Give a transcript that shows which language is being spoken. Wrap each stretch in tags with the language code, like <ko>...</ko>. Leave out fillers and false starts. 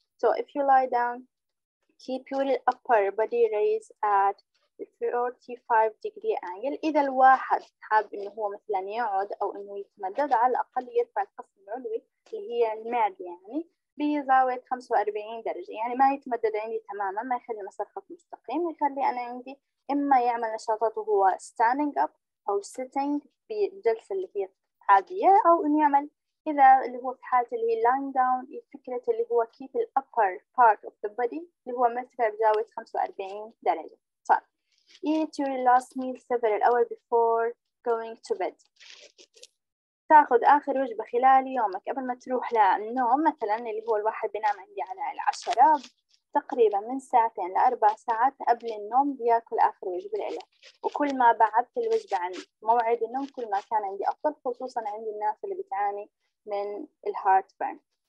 <en>So if you lie down keep your upper body raised at 45 degree angle.</en> <ar>إذا الواحد حاب إنه هو مثلاً يقعد أو إنه يتمدد، على الأقل يرفع القسم العلوي اللي هي المعدة يعني بزاوية 45 درجة، يعني ما يتمدد عندي تماماً، ما يخلي المسار خط مستقيم، يخلي أنا عندي إما يعمل نشاطاته هو</ar> <en>standing up</en> <ar>أو sitting بجلسة اللي هي عادية، أو إنه يعمل إذا اللي هو في حالة اللي هي</ar> <en>lying down،</en> <ar>فكرة اللي هو</ar> <en>keep the upper part of the body</en> <ar>اللي هو مرتفع بزاوية 45 درجة.</ar> <en>Eat your last meal several hours before going to bed.</en> <ar>تاخذ آخر وجبة خلال يومك قبل ما تروح للنوم، مثلا اللي هو الواحد بينام عندي على 10 تقريبا من ساعتين لأربع ساعات قبل النوم بياكل آخر وجبة له، وكل ما بعدت الوجبة عن موعد النوم كل ما كان عندي أفضل، خصوصا عند الناس اللي بتعاني من الهارت بيرن.</ar>